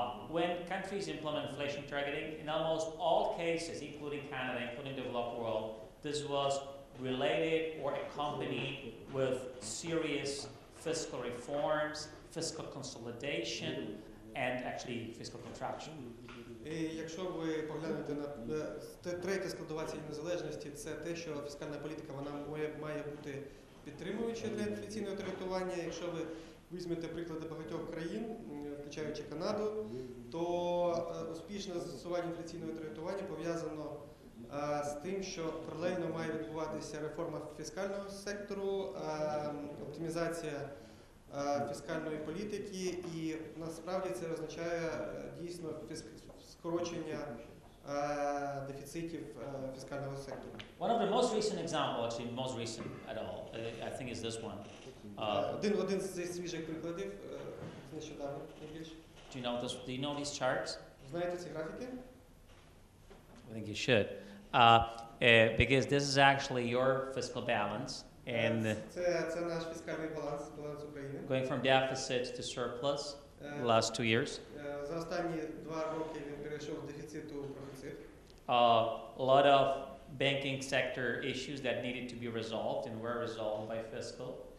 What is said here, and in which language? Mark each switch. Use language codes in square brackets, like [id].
[en] When countries implement inflation targeting, in almost all cases, including Canada, including developed world, this was related or accompanied with serious fiscal reforms, fiscal consolidation, and actually fiscal contraction. [uk] І якщо ви поглянете на третє складова цієї незалежності, це те, що фіскальна політика вона має бути підтримуючою для інфляційного таргетування. Якщо ви візьмете приклади багатьох країн, включаючи Канаду, то успішне застосування інфляційного таргетування пов'язано з тим, що паралельно має відбуватися реформа фіскального сектору, оптимізація фіскальної політики, і насправді це означає дійсно скорочення дефіцитів фіскального сектору. [en] One of the most recent examples, actually most recent at all, I think is this one. [uk] Один з свіжих прикладів, нещодавно, найбільше. [en] Do you know these charts? [uk] Знаєте ці графіки? [en] I think you should. Because this is actually your fiscal balance. And [uk] це наш фіскальний баланс України. [en] Going from deficit to surplus the last 2 years. [uk] За останні 2 роки він перейшов з дефіциту в профіцит. [en] A lot of banking sector issues that needed to be resolved and were resolved by fiscal.